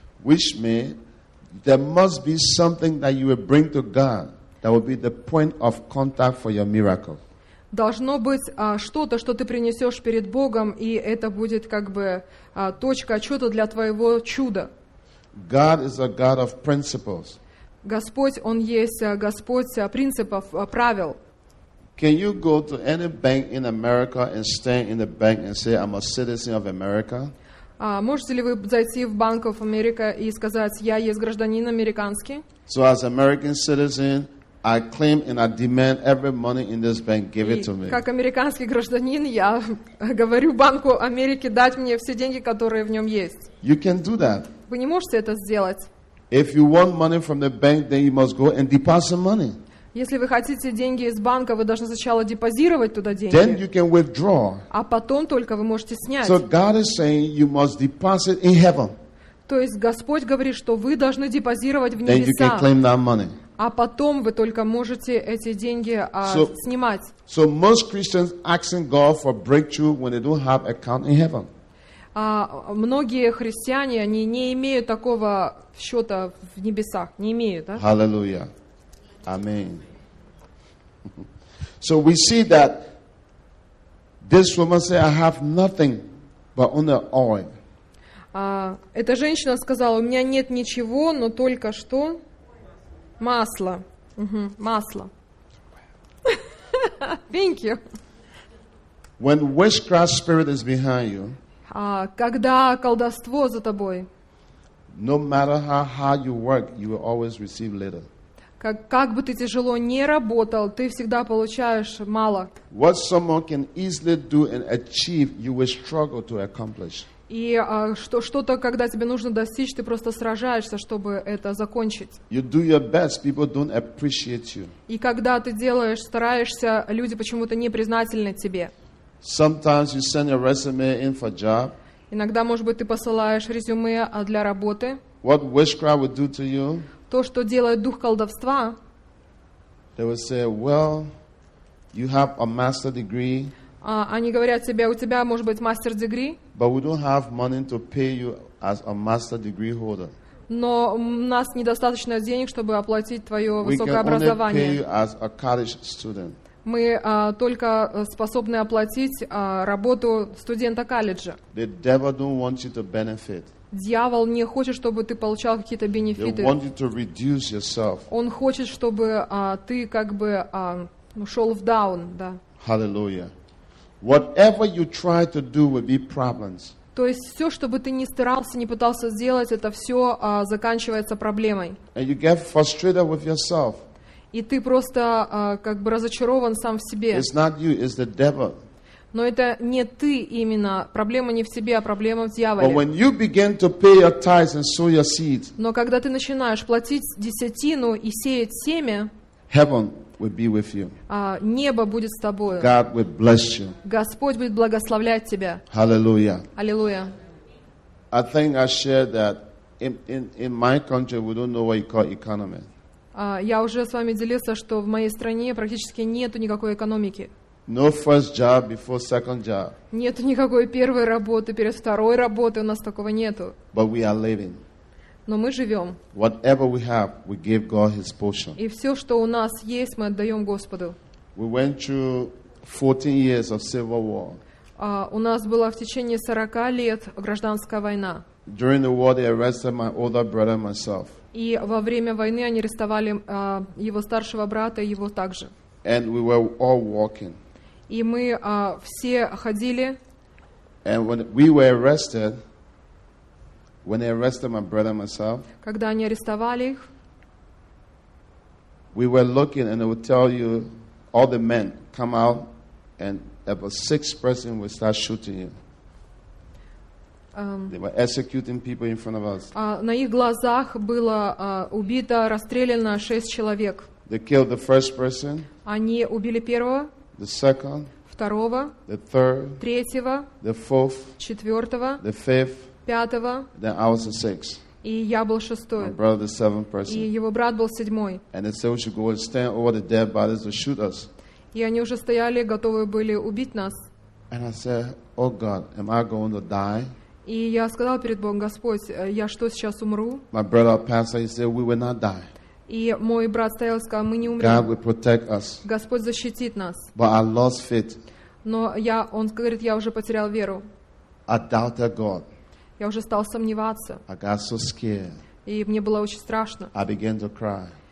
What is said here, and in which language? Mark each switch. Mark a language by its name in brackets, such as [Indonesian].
[English] Which means there must be something that you will bring to God that will be the point of contact for your miracle. [Russian] Должно быть что-то, что ты принесешь перед Богом, и это будет точка отчета для твоего чуда. [English] God is a God of principles. [Russian] Господь, Он есть Господь принципов, правил. [English] Can you go to any bank in America and stand in the bank and say, I'm a citizen of America? [Russian] Можете ли вы зайти в Bank of America и сказать, я есть гражданин американский? [English] So as American citizen, I claim and I demand every money in this bank, give it to me. [Russian] Как американский гражданин, я говорю Банку Америки дать мне все деньги, которые в нем есть. [English] You can do that. [Russian] Вы не можете это сделать. [English] If you want money from the bank, then you must go and deposit some money. [Russian] Если вы хотите деньги из банка, вы должны сначала депозировать туда деньги. [English] Then you can withdraw. [Russian] А потом только вы можете снять. [English] So God is saying you must deposit in heaven. [Russian] То есть Господь говорит, что вы должны депозировать в [English] Then [Russian] небеса. [English] You can claim that money. [Russian] А потом вы только можете эти деньги снимать. [English] So most Christians asking God for breakthrough when they don't have account in heaven. [Russian] Многие христиане, они не имеют такого счета в небесах. Не имеют, да? [English] Hallelujah. Amen. So we see that this woman said, "I have nothing but only oil." [Russian] Эта женщина сказала, у меня нет ничего, но только что масло. Масло. [English] Thank you. When witchcraft spirit is behind you, [Russian] когда колдовство за тобой, [English] no matter how hard you work, you will always receive little. [Russian] Как бы ты тяжело не работал, ты всегда получаешь мало. [English] What someone can easily do and achieve, you will struggle to accomplish. [Russian] И что-то, когда тебе нужно достичь, ты просто сражаешься, чтобы это закончить. [English] You do your best, people don't appreciate you. [Russian] И когда ты делаешь, стараешься, люди почему-то не признательны тебе. [English] Sometimes you send your resume in for job. [Russian] Иногда, может быть, ты посылаешь резюме для работы. [English] What witchcraft would do to you? [Russian] То, что делает дух колдовства, [English] they will say, well, you have a master degree. [Russian] Они говорят тебе, у тебя может быть мастер degree. [English] But we don't have money to pay you as a master degree holder. [Russian] Но у нас недостаточно денег, чтобы оплатить твое высокое образование. [English] We can only pay you as a college student. [Russian] Мы только способны оплатить работу студента колледжа. [English] The devil don't want you to benefit. [Russian] Дьявол не хочет, чтобы ты получал какие-то бенефиты. [English] They want you to reduce yourself. [Russian] Он хочет, чтобы ты как бы шел в даун, да. [English] Hallelujah. Whatever you try to do will be problems. [Russian] То есть все, что бы ты ни старался, ни пытался сделать, это все заканчивается проблемой. [English] And you get frustrated with yourself. [Russian] И ты просто как бы разочарован сам в себе. [English] It's not you, it's the devil. [Russian] Но это не ты именно. Проблема не в себе, а проблема в дьяволе. [English] But when you begin to pay your tithes and sow your seed, [Russian] но когда ты начинаешь платить десятину и сеять семя, [English] heaven will be with you. [Russian] Небо будет с тобой. [English] God will bless you. [Russian] Господь будет благословлять тебя. [English] Hallelujah. Hallelujah. I think I shared that in my country we don't know what you call economy. [Russian] Я уже с вами делился, что в моей стране практически нету никакой экономики. [English] No first job before second job. [Russian] Нету никакой первой работы перед второй работой, у нас такого нету. [English] But we are living. [Russian] Но мы живем. [English] Whatever we have, we give God His portion. [Russian] И все, что у нас есть, мы отдаем Господу. [English] We went through 14 years of civil war. [Russian] У нас была в течение 40 лет гражданская война. [English] During the war, they arrested my older brother and myself. [Russian] И во время войны они арестовали его старшего брата и его также. [English] And we were all walking. [Russian] И мы все ходили. [English] And when we were arrested, when they arrested my brother and myself, [Russian] когда они арестовали их, [English] we were looking, and they would tell you, all the men come out, and about 6 person will start shooting you. They were executing people in front of us. [Russian] На их глазах было убито, расстреляно 6 человек. [English] They killed the first person. [Russian] Они убили первого. [English] The second. [Russian] Второго. [English] The third. [Russian] Третьего. [English] The fourth. [Russian] Четвертого. [English] The fifth. [Russian] Пятого. [English] Then I was the sixth. [Russian] И я был шестой. [English] My brother the seventh person. [Russian] И его брат был седьмой. [English] And they said we should go and stand over the dead bodies to shoot us. [Russian] И они уже стояли, готовы были убить нас. [English] And I said, Oh God, am I going to die? [Russian] И я сказал перед Богом, Господь, я что, сейчас умру? [English] My brother, pastor, he said, we will not die. [Russian] И мой брат стоял и сказал, мы не умрем. [English] God will protect us. [Russian] Господь защитит нас. [English] But I lost faith. [Russian] Но я, он говорит, я уже потерял веру. [English] I doubted God. [Russian] Я уже стал сомневаться. [English] I got so scared. [Russian] И мне было очень страшно. [English] I began to cry.